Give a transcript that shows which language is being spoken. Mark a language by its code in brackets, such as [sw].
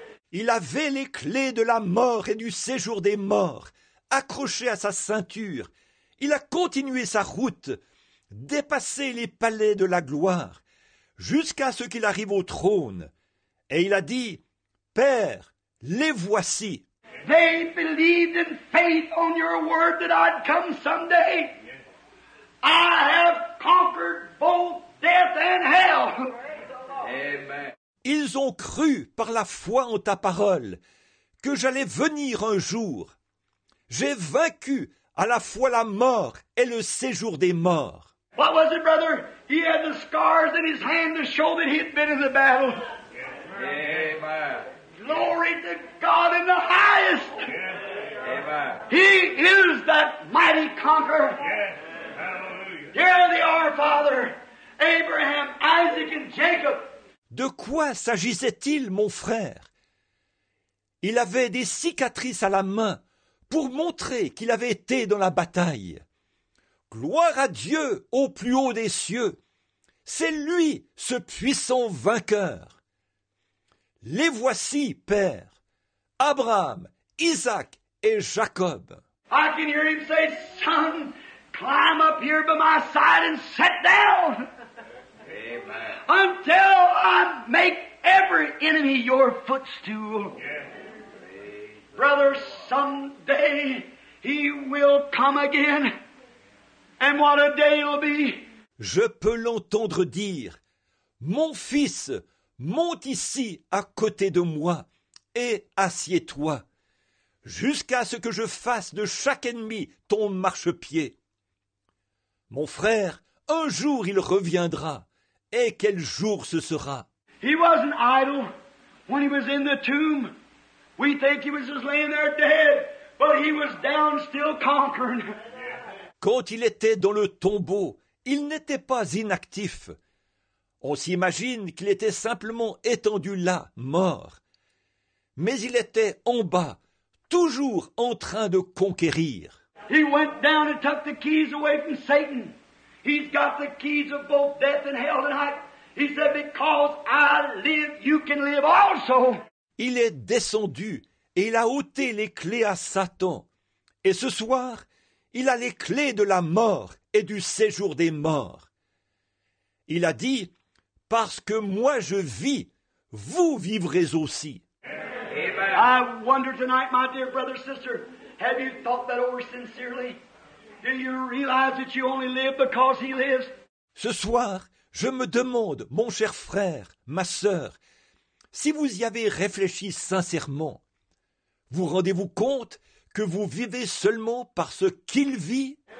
[fr] Il avait les clés de la mort et du séjour des morts accrochées à sa ceinture. Il a continué sa route, dépassé les palais de la gloire, jusqu'à ce qu'il arrive au trône. Et il a dit, Père, les voici. [en] They believed in faith on your word that I'd come someday. I have conquered both death and hell. Amen. [fr] Ils ont cru par la foi en ta parole que j'allais venir un jour. J'ai vaincu à la fois la mort et le séjour des morts. [en] What was it, brother? He had the scars in his hand to show that he'd been in the battle. Amen. Glory to God in the highest. Amen. He is that mighty conqueror. Yes. Hallelujah. Here they are, Father, Abraham, Isaac, and Jacob. [fr] De quoi s'agissait-il, mon frère? Il avait des cicatrices à la main pour montrer qu'il avait été dans la bataille. Gloire à Dieu au plus haut des cieux. C'est lui, ce puissant vainqueur. Les voici, Père, Abraham, Isaac et Jacob. [en] I can hear him say, son, climb up here by my side and sit down. Amen. Until I make every enemy your footstool. Yes. Brother, someday he will come again. And what a day it'll be. [fr] Je peux l'entendre dire, mon fils, monte ici à côté de moi et assieds-toi, jusqu'à ce que je fasse de chaque ennemi ton marchepied. Mon frère, un jour il reviendra, et quel jour ce sera. [en] He wasn't idle when he was in the tomb. We think he was just laying there dead, but he was down still conquering. [fr] Quand il était dans le tombeau, il n'était pas inactif. On s'imagine qu'il était simplement étendu là, mort. Mais il était en bas, toujours en train de conquérir. [en] He went down and took the keys away from Satan. He's got the keys of both death and hell tonight. He said, because I live, you can live also. [fr] Il est descendu et il a ôté les clés à Satan. Et ce soir, il a les clés de la mort et du séjour des morts. Il a dit, « Parce que moi je vis, vous vivrez aussi. » [en] I wonder tonight, my dear brother, sister, have you thought that over sincerely? Do you realize that you only live because he lives? [fr] Ce soir, je me demande, mon cher frère, ma sœur, si vous y avez réfléchi sincèrement, vous rendez-vous compte que vous vivez seulement parce qu'il vit?